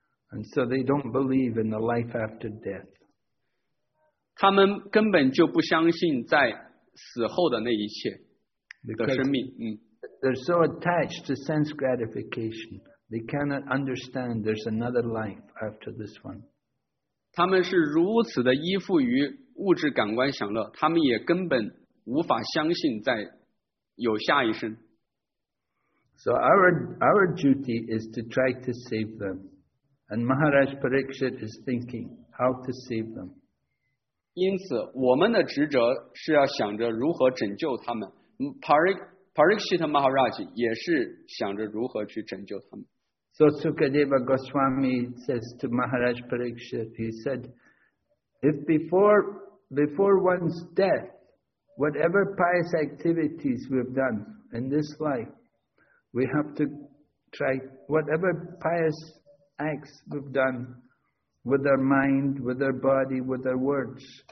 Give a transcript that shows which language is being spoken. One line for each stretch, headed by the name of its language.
English: And so they don't believe in the life after death.
Chinese: 他们根本就不相信在死后的那一切的生命。
English: They're so attached to sense gratification, they cannot understand there's another life after this one.
Chinese: 他们是如此的依附于物质感官享乐，他们也根本无法相信在有下一生。
English: So our duty is to try to save them. And Maharaj Parikshit is thinking how to save them.
Chinese: 因此我们的职责是要想着如何拯救他们。 Parikshit Maharaj 也是想着如何去拯救他们。
English: So Sukadeva Goswami says to Maharaj Parikshit, he said, if before one's death, whatever pious activities we've done in this life,We have to try whatever pious acts we've done with our mind, with our body, with our words.